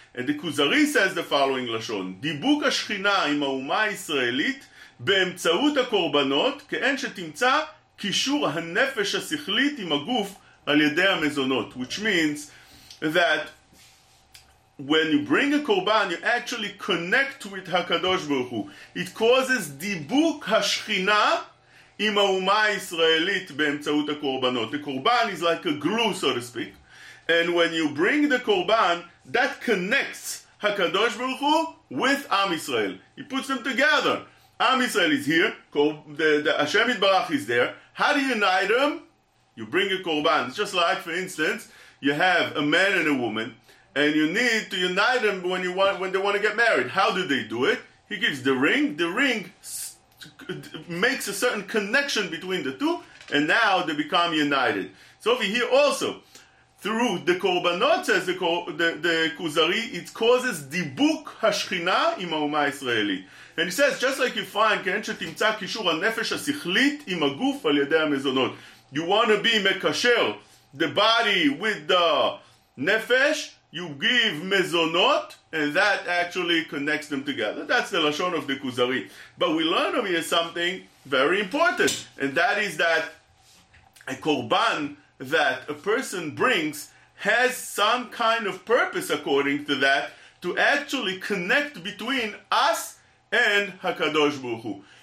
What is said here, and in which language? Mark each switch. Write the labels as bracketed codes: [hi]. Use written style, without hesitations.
[en] And the Kuzari says the following lashon: [he] dibuk hashchina im ha'uma israelit באמצעות הקורבנות, כאין שתמצא קישור הנפש השכלית עם הגוף על ידי המזונות. [en] Which means that when you bring a korban, you actually connect with HaKadosh Baruch Hu. It causes [he] דיבוק השכינה עם האומה הישראלית באמצעות הקורבנות. [en] The korban is like a glue, so to speak. And when you bring the korban, that connects HaKadosh Baruch Hu with Am Yisrael. He puts them together. Am Yisrael is here, the Hashem Yitbarach is there. How do you unite them? You bring a korban. It's just like, for instance, you have a man and a woman, and you need to unite them when they want to get married. How do they do it? He gives the ring. The ring makes a certain connection between the two, and now they become united. So over here also, through the korbanot, says the Kuzari, it causes [he] dibuk hashchina im ha'uma Yisraeli. [en] And he says, just like you find, [he] כן שתמצא קישור הנפש השכלית עם הגוף על ידי המזונות. [en] You want to be מקשר, the body with the נפש, you give מזונות, and that actually connects them together. That's the לשון of the Kuzari. But we learn from here something very important, and that is that a korban that a person brings has some kind of purpose, according to that, to actually connect between us and HaKadosh Baruch Hu.